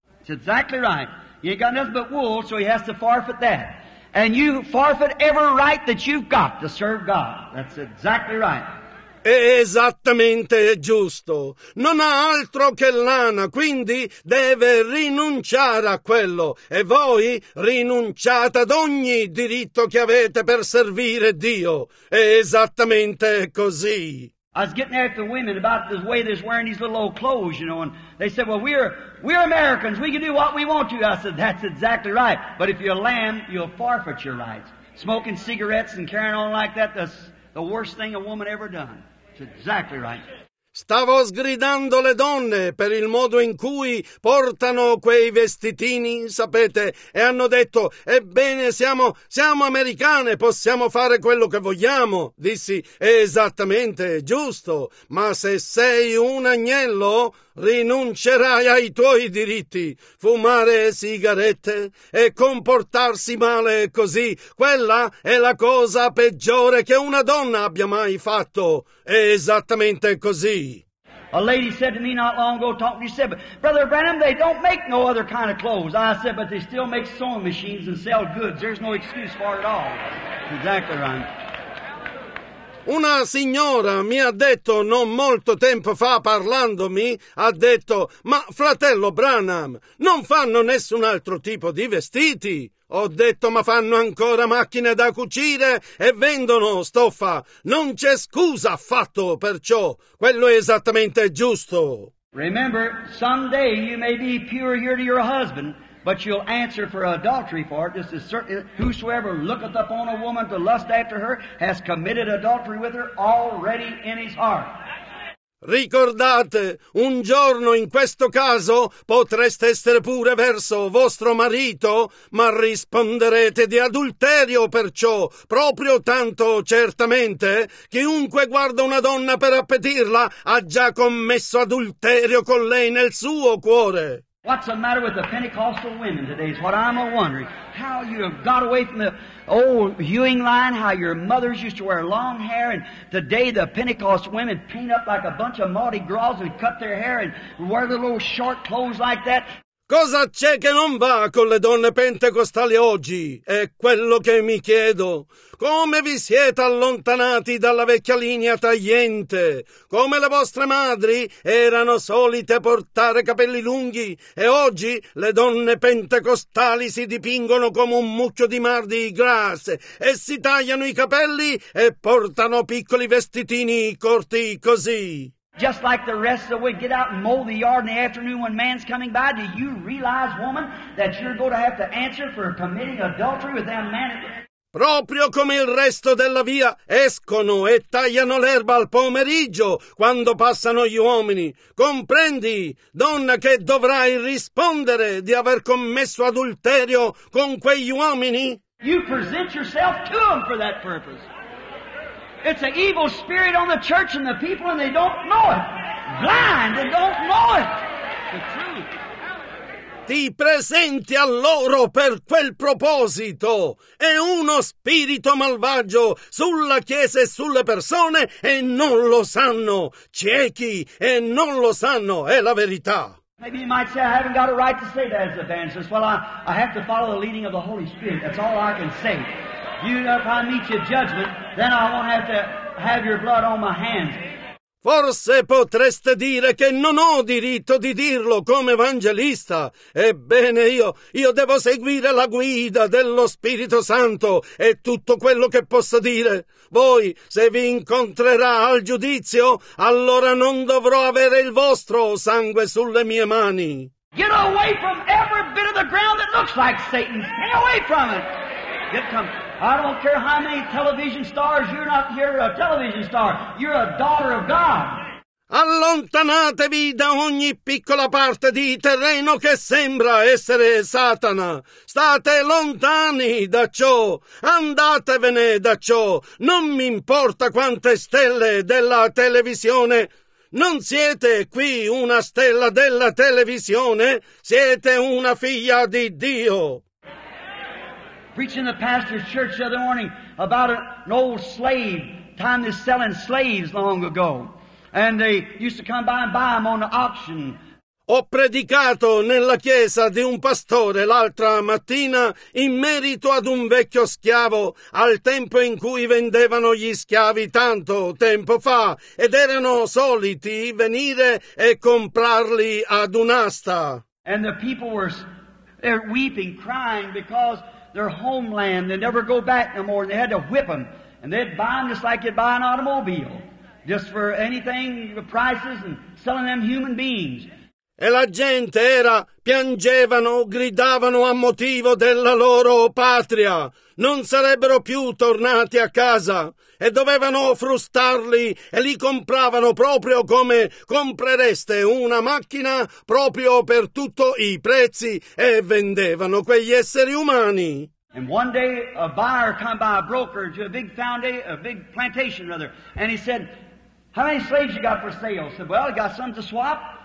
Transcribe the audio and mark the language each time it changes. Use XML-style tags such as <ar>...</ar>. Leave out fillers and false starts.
<en>It's exactly right. You ain't got nothing but wool, so he has to forfeit that. And you forfeit every right that you've got to serve God. That's exactly right.</en> <it>Esattamente giusto. Non ha altro che lana, quindi deve rinunciare a quello. E voi rinunciate ad ogni diritto che avete per servire Dio. Esattamente così.</it> <en>I was getting at the women about the way they're wearing these little old clothes, you know, and they said, well, we're Americans. We can do what we want to. I said, that's exactly right. But if you're a lamb, you'll forfeit your rights. Smoking cigarettes and carrying on like that, that's the worst thing a woman ever done. It's exactly right.</en> <it>Stavo sgridando le donne per il modo in cui portano quei vestitini, sapete, e hanno detto, ebbene, siamo americane, possiamo fare quello che vogliamo. Dissi, esattamente, giusto, ma se sei un agnello, rinuncerai ai tuoi diritti. Fumare sigarette e comportarsi male così, quella è la cosa peggiore che una donna abbia mai fatto. Esattamente così.</it> <en>A lady said to me not long ago, talking to you, said, but Brother Branham, they don't make no other kind of clothes. I said, but they still make sewing machines and sell goods. There's no excuse for it at all. Exactly right.</en> <it>Una signora mi ha detto non molto tempo fa, parlandomi, ha detto, ma fratello Branham, non fanno nessun altro tipo di vestiti. Ho detto, ma fanno ancora macchine da cucire e vendono stoffa. Non c'è scusa affatto per ciò. Quello è esattamente giusto.</it> <en>Remember, someday you may be pure here to your husband, but you'll answer for adultery for it. This is certain, whosoever looketh upon a woman to lust after her has committed adultery with her already in his heart.</en> <it>Ricordate, un giorno in questo caso potreste essere pure verso vostro marito, ma risponderete di adulterio perciò, proprio tanto certamente, chiunque guarda una donna per appetirla ha già commesso adulterio con lei nel suo cuore.</it> <en>What's the matter with the Pentecostal women today is what I'm wondering. How you have got away from the old Ewing line, how your mothers used to wear long hair, and today the Pentecostal women paint up like a bunch of Mardi Gras and cut their hair and wear little short clothes like that.</en> <it>Cosa c'è che non va con le donne pentecostali oggi? È quello che mi chiedo. Come vi siete allontanati dalla vecchia linea tagliente? Come le vostre madri erano solite portare capelli lunghi e oggi le donne pentecostali si dipingono come un mucchio di Mardi Gras e si tagliano i capelli e portano piccoli vestitini corti così.</it> <en>Just like the rest of the week, get out and mow the yard in the afternoon when man's coming by. Do you realize, woman, that you're going to have to answer for committing adultery with that man?</en> <it>Proprio come il resto della via, escono e tagliano l'erba al pomeriggio quando passano gli uomini. Comprendi, donna, che dovrai rispondere di aver commesso adulterio con quegli uomini?</it> <en>You present yourself to them for that purpose. It's an evil spirit on the church and the people, and they don't know it. Blind, they don't know it. The truth.</en> <it>Ti presenti a loro per quel proposito. È uno spirito malvagio sulla chiesa e sulle persone, e non lo sanno. Ciechi, e non lo sanno. È la verità.</it> <en>Maybe you might say, I haven't got a right to say that as an evangelist. Well, I have to follow the leading of the Holy Spirit. That's all I can say. You know, if I meet your judgment, then I won't have to have your blood on my hands.</en> <it>Forse potreste dire che non ho diritto di dirlo come evangelista. Ebbene, io devo seguire la guida dello Spirito Santo e tutto quello che possa dire. Voi, se vi incontrerà al giudizio, allora non dovrò avere il vostro sangue sulle mie mani.</it> <en>Get away from every bit of the ground that looks like Satan. Get away from it. Get come. I don't care how many television stars, you're a television star. You're a daughter of God.</en> <it>Allontanatevi da ogni piccola parte di terreno che sembra essere Satana. State lontani da ciò. Andatevene da ciò. Non mi importa quante stelle della televisione. Non siete qui una stella della televisione. Siete una figlia di Dio.</it> <en>Preaching the pastor's church the other morning about an old slave. Time is selling slaves long ago. And they used to come by and buy them on the auction.</en> <it>Ho predicato nella chiesa di un pastore l'altra mattina in merito ad un vecchio schiavo, al tempo in cui vendevano gli schiavi tanto tempo fa, ed erano soliti venire e comprarli ad un'asta.</it> <en>And the people were weeping, crying because their homeland, they never go back no more, and they had to whip them, and they'd buy them just like you'd buy an automobile. Just for anything, the prices, and selling them human beings.</en> <it>E la gente era, piangevano, gridavano a motivo della loro patria. Non sarebbero più tornati a casa. E dovevano frustarli e li compravano proprio come comprereste una macchina proprio per tutto i prezzi e vendevano quegli esseri umani.</it> <en>And one day a buyer come by a broker to a big foundation, a big plantation rather, and he said, how many slaves you got for sale? I said, well, I got some to swap.</en>